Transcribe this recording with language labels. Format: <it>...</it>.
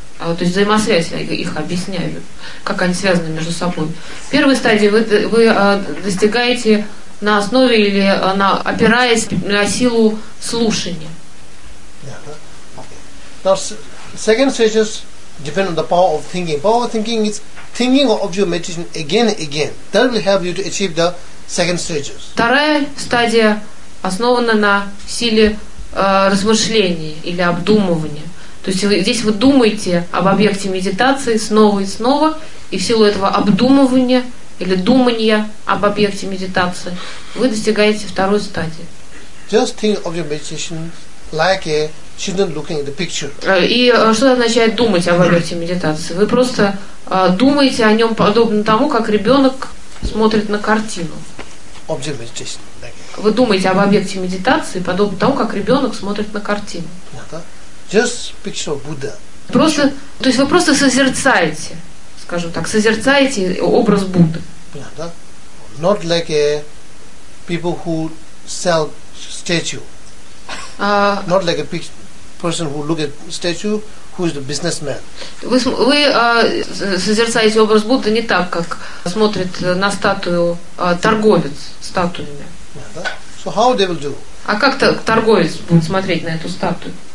<ru>То есть взаимосвязь, я их объясняю, как они связаны между собой. Первая стадия вы достигаете на основе или опираясь на силу слушания.</ru> <en>Now, second stages depend on the power of thinking. Power of thinking is thinking or object meditation again and again. That will help you to achieve the second stages.</en> <ru>Вторая стадия основана на силе размышления или обдумывания. То есть здесь вы думаете об объекте медитации снова и снова, и в силу этого обдумывания или думания об объекте медитации вы достигаете второй стадии.</ru> <en>Just think of your meditation like a children looking at the picture.</en> <ru>И что означает думать об объекте медитации? Вы просто думаете о нем подобно тому, как ребенок смотрит на картину.</ru> <en>Object meditation.</en> <ru>Вы думаете об объекте медитации подобно тому, как ребенок смотрит на картину.</ru> <en>Just picture of Buddha.</en> <ru>Просто, то есть вы просто созерцаете, скажем так, созерцаете образ Будды. Yeah, да?</ru> <en>Not like a people who sell statue. Not like a person who look at statue who is the businessman.</en> <ru>Вы созерцаете образ Будды не так, как смотрит на статую торговец статуями.</ru> <en>Yeah,</en> <ru>да?</ru> <en>So how they will do?</en> <ru>А как торговец будет смотреть на эту статую?</ru>